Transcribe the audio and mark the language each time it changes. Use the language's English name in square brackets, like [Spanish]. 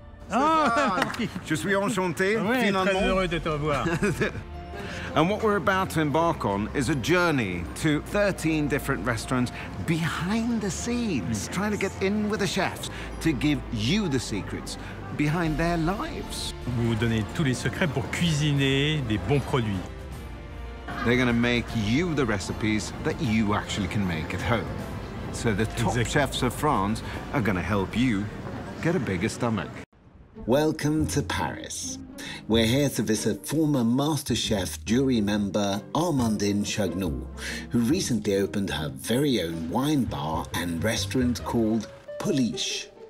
[French] Oh. Je suis enchanté, oui, finalement. Très heureux de te revoir. [English] And what we're about to embark on is a journey to 13 different restaurants behind the scenes, yes, trying to get in with the chefs to give you the secrets behind their lives. [French] Vous donnez tous les secrets pour cuisiner des bons produits. [English] They're going to make you the recipes that you actually can make at home. So the top exactly. chefs of France are going to help you get a bigger stomach. Welcome to Paris. We're here to visit former MasterChef jury member Amandine Chaignot, who recently opened her very own wine bar and restaurant called Pouliche.